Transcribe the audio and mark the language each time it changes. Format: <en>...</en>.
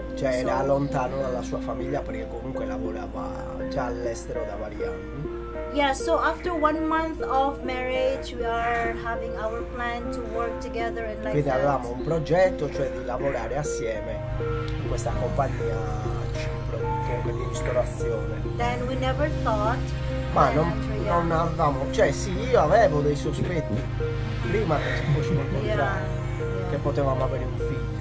<it>Cioè era lontano dalla sua famiglia perché comunque lavorava già all'estero da vari anni.</it> <en>Yeah, so after 1 month of marriage we are having our plan to work together and like</en> <it>quindi avevamo un progetto, cioè di lavorare assieme in questa compagnia comunque di ristorazione.</it> <en>Then we never thought.</en> <it>Ma non avevamo, cioè sì, io avevo dei sospetti prima che ci fossimo incontrati che potevamo avere un figlio.</it>